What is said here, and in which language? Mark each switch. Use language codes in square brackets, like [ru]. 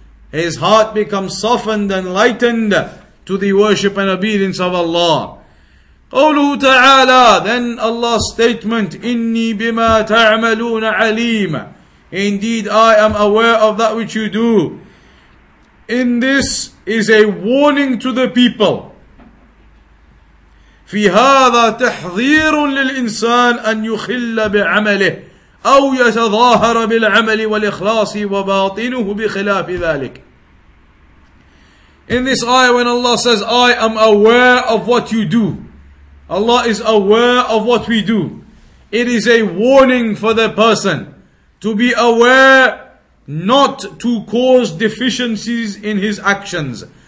[en] His heart becomes softened and lightened to the worship and obedience of Allah. [ar] قَوْلُهُ تَعَالَى. [en] Then Allah's statement, [ar] إِنِّي بِمَا تَعْمَلُونَ عَلِيمًا. [en] Indeed, I am aware of that which you do. In this is a warning to the people. [ar] في هذا تحذير للإنسان أن يخل بعمله أو يتظاهر بالعمل والإخلاص وباطنه بخلاف ذلك. [en] In this ayah, when Allah says, I am aware of what you do, Allah is aware of what we do, it is a warning for the person to be aware not to cause deficiencies in his actions.